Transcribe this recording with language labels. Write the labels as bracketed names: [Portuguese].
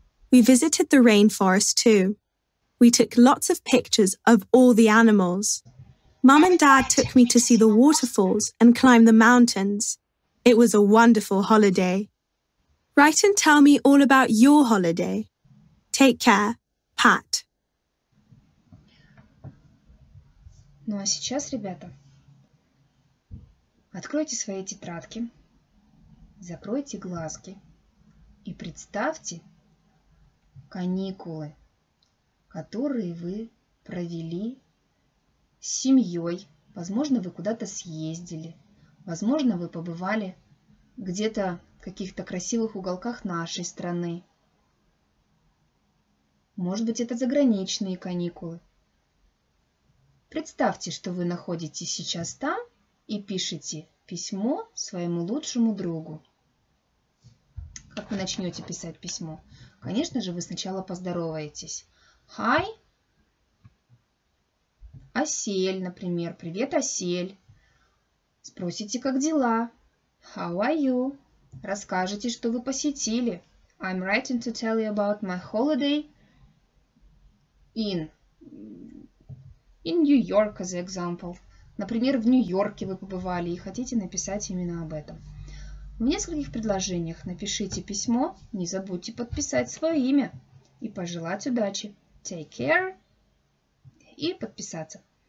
[English] We visited the rainforest too. We took lots of pictures of all the animals. Mom and Dad took me to see the waterfalls and climb the mountains. It was a wonderful holiday. Write and tell me all about your holiday. Take care, Pat. [Russian] Ну а сейчас, ребята, откройте свои тетрадки, закройте глазки и представьте каникулы, которые вы провели с семьей. Возможно, вы куда-то съездили. Возможно, вы побывали где-то в каких-то красивых уголках нашей страны. Может быть, это заграничные каникулы. Представьте, что вы находитесь сейчас там и пишете письмо своему лучшему другу. Как вы начнете писать письмо? Конечно же, вы сначала поздороваетесь. Hi, Осель, например. Привет, Осель. Спросите, как дела? [English] How are you? [Russian] Расскажите, что вы посетили. [English] I'm writing to tell you about my holiday in New York, as an example. [Russian] Например, в Нью-Йорке вы побывали и хотите написать именно об этом. В нескольких предложениях напишите письмо, не забудьте подписать свое имя и пожелать удачи. [English] Take care [Russian] и подписаться.